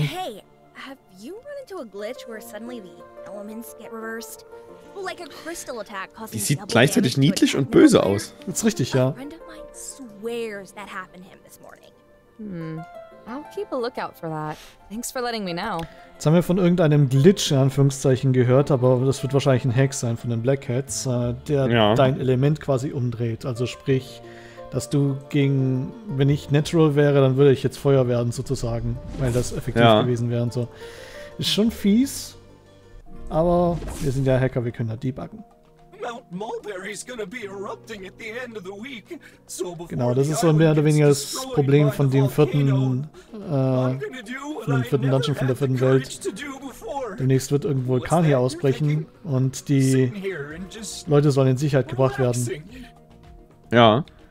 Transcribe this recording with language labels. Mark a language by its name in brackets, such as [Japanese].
[English] Hey, have you run into a glitch where suddenly the elements get reversed? Like a crystal attack causing. [German] Die sieht gleichzeitig niedlich und böse aus. Das ist richtig, ja. [English] A friend of mine swears that happened to him this morning. I'll keep a lookout for that. Thanks for letting me know. [German] Jetzt haben wir von irgendeinem Glitch in Anführungszeichen gehört, aber das wird wahrscheinlich ein Hack sein von den Black Hats, der dein Element quasi umdreht. Also sprich, dass du gegen, wenn ich natural wäre, dann würde ich jetzt Feuer werden sozusagen, weil das effektiv gewesen wäre und so. Ist schon fies, aber wir sind ja Hacker, wir können da debuggen. [English] Mount Mulberry is gonna be erupting at the end of the week. So before [German] genau, das ist so mehr oder weniger das Problem von dem vierten, Dungeon von der vierten Welt. Demnächst wird irgendein Vulkan hier ausbrechen und die Leute sollen in Sicherheit gebracht werden. Ja.